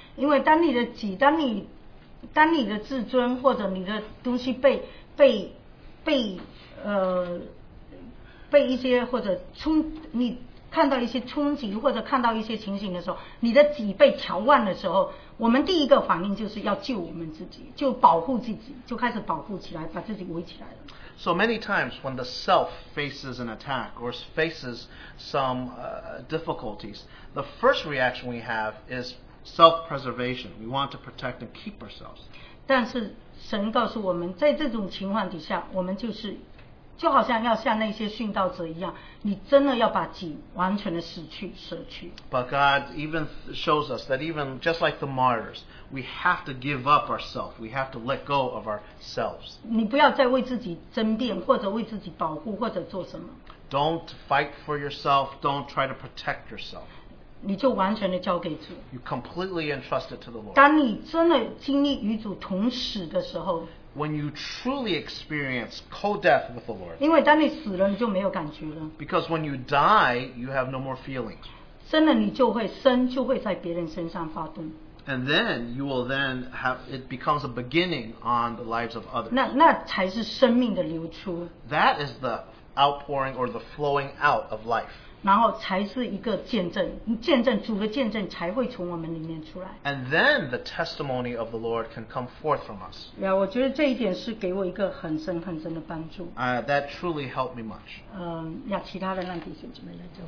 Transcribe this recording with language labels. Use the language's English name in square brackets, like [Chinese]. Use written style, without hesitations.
[Chinese] 因为当你的己，当你的自尊或者你的东西被一些或者冲你看到一些冲击或者看到一些情形的时候，你的己被调旺的时候。我们第一个反应就是要救我们自己，就保护自己，就开始保护起来，把自己围起来了。 [English] So many times when the self faces an attack or faces some difficulties, the first reaction we have is self-preservation. We want to protect and keep ourselves. [Chinese] 但是神告诉我们，在这种情况底下，我们就是就好像要像那些殉道者一样，你真的要把己完全的舍去。 [English] But God even shows us that even just like the martyrs, we have to give up ourselves. We have to let go of ourselves. [Chinese] 你不要再为自己争辩，或者为自己保护，或者做什么。 [English] Don't fight for yourself. Don't try to protect yourself. [Chinese] 你就完全的交给主。 [English] You completely entrust it to the Lord. [Chinese] 当你真的经历与主同死的时候。 [English] When you truly experience co-death with the Lord. [Chinese] 因为当你死了，你就没有感觉了。 [English] Because when you die, you have no more feelings. [Chinese] 真的，你就会生，就会在别人身上发动。 [English] And then you will then have it becomes a beginning on the lives of others. [Chinese] 那才是生命的流出。 [English] That is the outpouring or the flowing out of life. [Chinese] 然后才是一个见证，见证主的见证才会从我们里面出来。 [English] And then the testimony of the Lord can come forth from us. [Chinese] 呀，我觉得这一点是给我一个很深很深的帮助。 [English] That truly helped me much. [Chinese] 呀，其他的让弟兄姊妹来做。